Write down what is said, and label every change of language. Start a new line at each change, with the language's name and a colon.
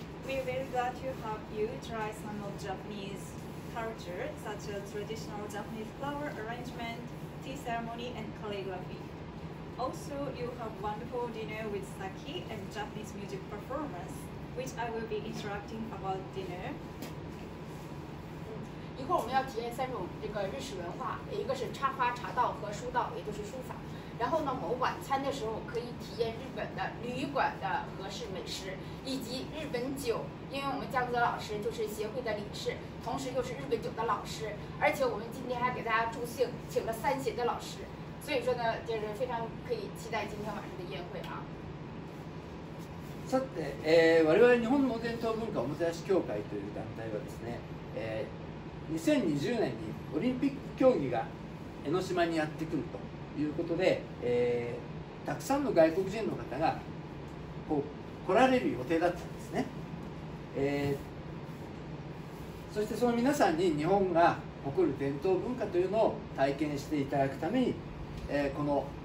English: We are very glad to have you try some of Japanese culture, such as traditional Japanese flower arrangement, tea ceremony and calligraphy. Also, you have wonderful dinner with sake and Japanese music performance. Which I will be interrupting about dinner.
Chinese: 一会儿我们要体验三种这个日式文化，一个是插花、茶道和书道，也就是书法。然后呢，我们晚餐的时候可以体验日本的旅馆的和式美食，以及日本酒。因为我们江泽老师就是协会的理事，同时又是日本酒的老师，而且我们今天还给大家助兴，请了三协的老师。所以说呢，就是非常可以期待今天晚上的宴会啊。
Japanese: さて、我々日本の伝統文化おもてなし協会という団体はですね、2020年にオリンピック競技が江ノ島にやってくるということで、たくさんの外国人の方がこう来られる予定だったんですね、そしてその皆さんに日本が誇る伝統文化というのを体験していただくために、この